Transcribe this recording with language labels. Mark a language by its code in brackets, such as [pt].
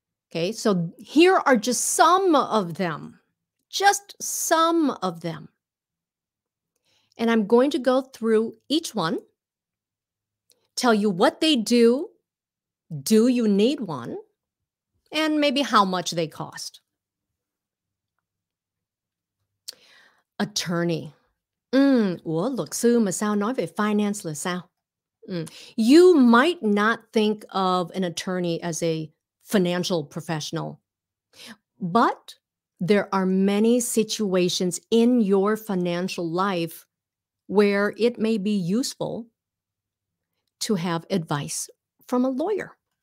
[en] Okay, so here are just some of them, just some of them. And I'm going to go through each one, tell you what they do, do you need one, and maybe how much they cost. Attorney. [vi] Ủa, luật sư mà sao nói về finance là sao? [en] You might not think of an attorney as a financial professional, but there are many situations in your financial life where it may be useful to have advice from a lawyer.